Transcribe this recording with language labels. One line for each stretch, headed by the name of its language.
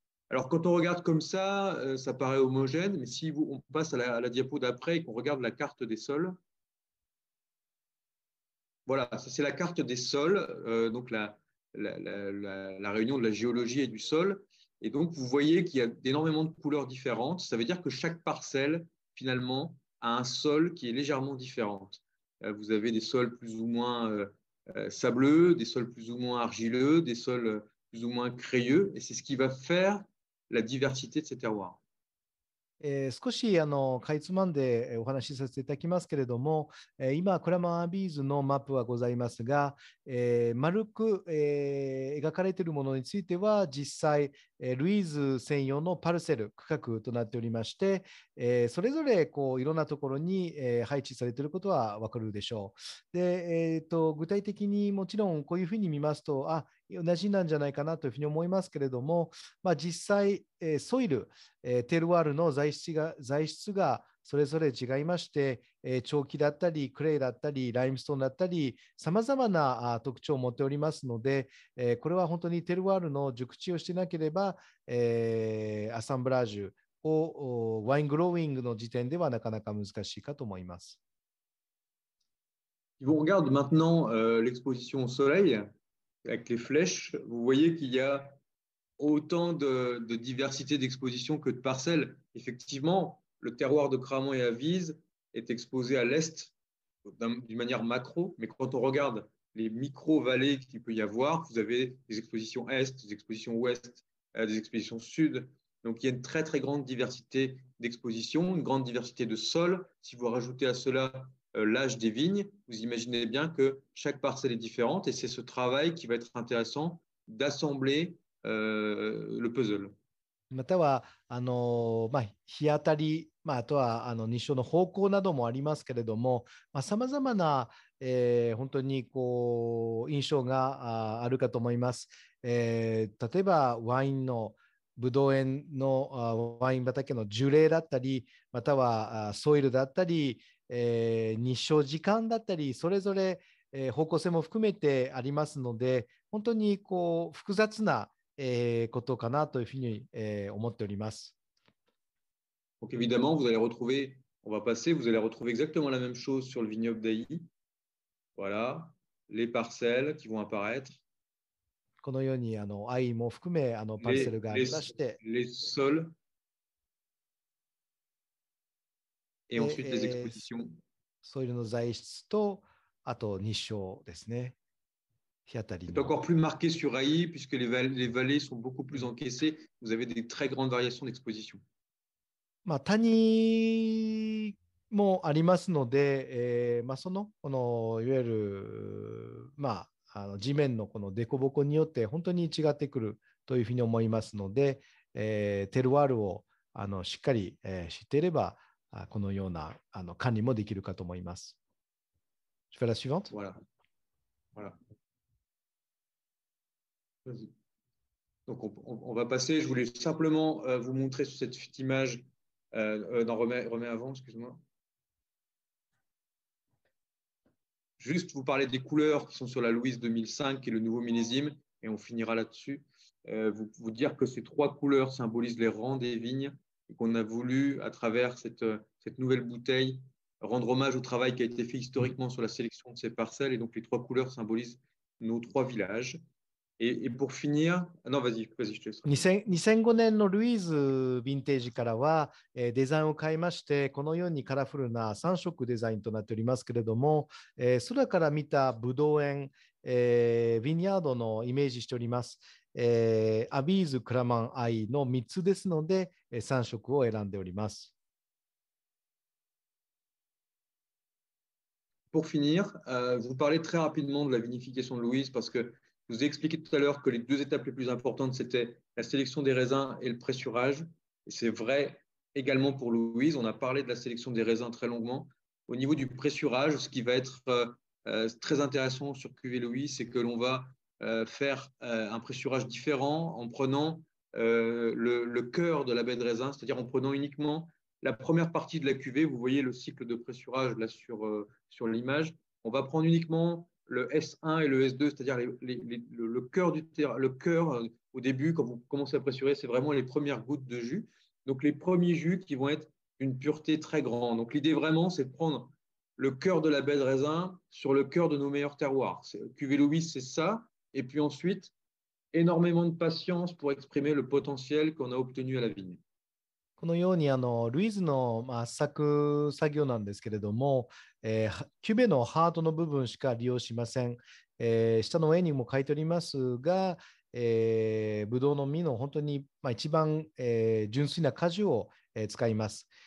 French: Alors quand on regarde comme ça, ça paraît homogène, mais si on passe à la diapo d'après et qu'on regarde la carte des sols, voilà, ça c'est la carte des sols, donc la réunion de la géologie et du sol, et donc vous voyez qu'il y a énormément de couleurs différentes, ça veut dire que chaque parcelle finalement a un sol qui est légèrement différent. Vous avez des sols plus ou moins sableux, des sols plus ou moins argileux, des sols plus ou moins crayeux, et c'est ce qui va faire la diversité de ces terroirs.
Japanese: 少しあのかいつまんでお話しさせていただきますけれども、今クラマンアビーズのマップはございますが、丸く、描かれているものについては実際、ルイーズ専用のパルセル区画となっておりまして、それぞれこういろんなところに、配置されていることは分かるでしょう。で、具体的にもちろんこういうふうに見ますと、あ同じなんじゃないかなというふうに思いますけれども、まあ、実際、ソイル、テルワールの材質がそれぞれ違いまして、長期だったりクレイだったりライムストーンだったりさまざまな特徴を持っておりますので、これは本当にテルワールの熟知をしていなければ、アサンブラージュをワイングロウイングの時点ではなかなか難しいかと思います。
French: Vous regardez maintenant l'exposition au soleil avec les flèches, vous voyez qu'il y a autant de diversité d'exposition que de parcelles. Effectivement, le terroir de Cramant et Avize est exposé à l'est d'une manière macro, mais quand on regarde les micro-vallées qu'il peut y avoir, vous avez des expositions est, des expositions ouest, des expositions sud. Donc, il y a une très, très grande diversité d'exposition, une grande diversité de sols. Si vous rajoutez à cela l'âge des vignes, vous imaginez bien que chaque parcelle est différente et c'est ce travail qui va être intéressant d'assembler le puzzle.
Japanese: または、まあ、日当たり、まあ、あとは日照の方向などもありますけれども、まあ、様々な、本当にこう印象があるかと思います。例えばワインのブドウ園のワイン畑の樹齢だったり、またはソイルだったり、日照時間だったり、それぞれ方向性も含めてありますので、本当にこう複雑なことかなというふうに思っております。
French: Donc évidemment vous allez retrouver, on va passer, vous allez retrouver exactement la même chose sur le vignoble d'Ailly. Voilà les parcelles qui vont apparaître.
Japanese: このようにAillyも含めパーセルがありまして、
French: les sols et ensuite les expositions.
Japanese: ソイルの材質とあと日照ですね。
French: C'est encore plus marqué sur Ailly puisque les vallées sont beaucoup plus encaissées. Vous avez des très grandes variations d'exposition.
Japanese: まあ谷もありますので、まあこのいわゆる、まあ、地面のこの凸凹によって本当に違ってくるというふうに思いますので、テルワールをしっかり、知っていればこのような管理もできるかと思います。
French: Je fais la suivante. Voilà. Voilà. Donc on va passer. Je voulais simplement vous montrer sur cette image. Remets avant, excuse-moi. Juste vous parler des couleurs qui sont sur la Louise 2005, qui est le nouveau millésime, et on finira là-dessus. Vous dire que ces trois couleurs symbolisent les rangs des vignes et qu'on a voulu, à travers cette nouvelle bouteille, rendre hommage au travail qui a été fait historiquement sur la sélection de ces parcelles. Et donc les trois couleurs symbolisent nos trois villages. Et pour finir, non, vas-y, je te laisse.
Japanese: 2005年のルイーズヴィンテージからはデザインを変えまして、このようにカラフルな3色デザインとなっておりますけれども、空から見たブドウ園、ヴィニャードのイメージしております。アビーズ、クラマン、アイの3つですので3色を選んでおります。
French: Pour finir, vous parlez très rapidement de la vinification de Louise parce que Je vous ai expliqué tout à l'heure que les deux étapes les plus importantes, c'était la sélection des raisins et le pressurage. Et c'est vrai également pour Louise. On a parlé de la sélection des raisins très longuement. Au niveau du pressurage, ce qui va être très intéressant sur Cuvée Louise, c'est que l'on va faire un pressurage différent en prenant le cœur de la baie de raisin, c'est-à-dire en prenant uniquement la première partie de la cuvée. Vous voyez le cycle de pressurage là sur l'image. On va prendre uniquement... Le S1 et le S2, c'est-à-dire le cœur du terrain, le cœur au début, quand vous commencez à pressurer, c'est vraiment les premières gouttes de jus. Donc, les premiers jus qui vont être d'une pureté très grande. Donc, l'idée vraiment, c'est de prendre le cœur de la baie de raisin sur le cœur de nos meilleurs terroirs. Cuvée Louise, c'est ça. Et puis ensuite, énormément de patience pour exprimer le potentiel qu'on a obtenu à la vigne.
Japanese: このようにルイーズの圧搾作業なんですけれども、キュベのハートの部分しか利用しません。下の絵にも書いておりますが、ブドウの実の本当に、まあ、一番、純粋な果汁を、使います。